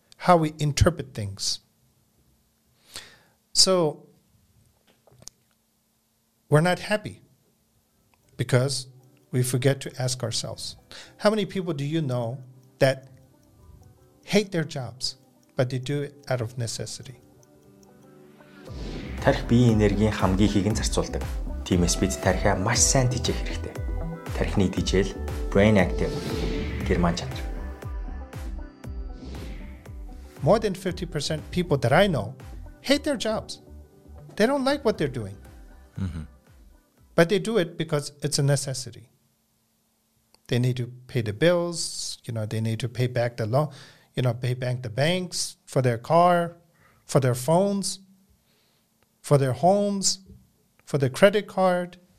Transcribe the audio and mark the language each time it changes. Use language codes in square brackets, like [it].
[en] How we interpret things. So, we're not happy because we forget to ask ourselves. How many people do you know that hate their jobs? but they do it out of necessity. [mn] Тарих биеийн энергийн хамгийн ихийг нь зарцуулдаг. Тиймээс бид тархиа маш сайн тэжээх хэрэгтэй. Тархины тэжээл brain active герман чанар. [en] More than 50% people that I know hate their jobs. They don't like what they're doing. Mm-hmm. But they do it because it's a necessity. They need to pay the bills, you know, they need to pay back the loan, you know, pay back the banks for their car, for their phones, for their homes, for their credit card.